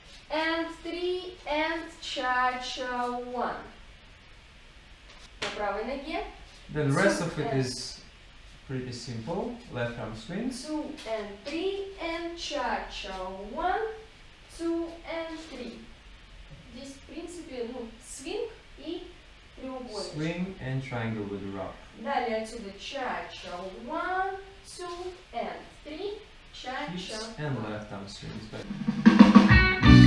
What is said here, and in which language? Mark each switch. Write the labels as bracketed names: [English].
[English] And three, and cha-cha, one. [Russian] На правой ноге. [English] Then the rest of it is pretty simple. Left arm swing. Two and three, and cha-cha, one, two and three. [Russian] Здесь, в принципе, ну, swing и треугольник. [English] Swing and triangle with the rock. Далее отсюда cha-cha, one, two and three, cha-cha. And left arm swings back.